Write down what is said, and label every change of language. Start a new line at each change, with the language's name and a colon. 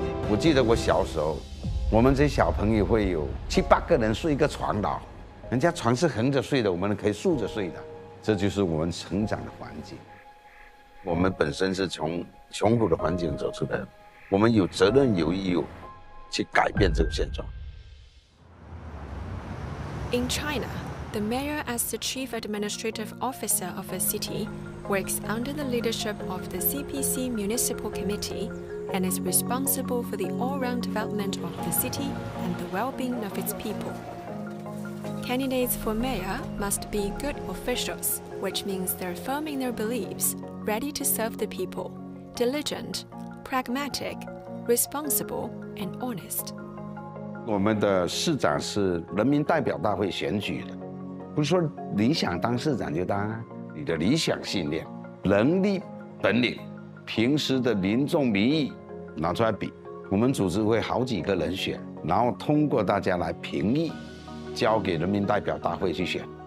Chinese: 我记得我小时候，我们这小朋友会有七八个人睡一个床的，人家床是横着睡的，我们可以竖着睡的，这就是我们成长的环境。我们本身是从穷苦的环境走出来，我们有责任有义务去改变这个现状。
English: In China. The mayor, as the chief administrative officer of a city, works under the leadership of the CPC Municipal Committee and is responsible for the all-round development of the city and the well-being of its people. Candidates for mayor must be good officials, which means they're firm in their beliefs, ready to serve the people, diligent, pragmatic, responsible, and honest. Our mayor is elected.
Chinese: 不是说理想当市长就当啊，你的理想信念、能力、本领，平时的民众民意拿出来比，我们组织会好几个人选，然后通过大家来评议，交给人民代表大会去选。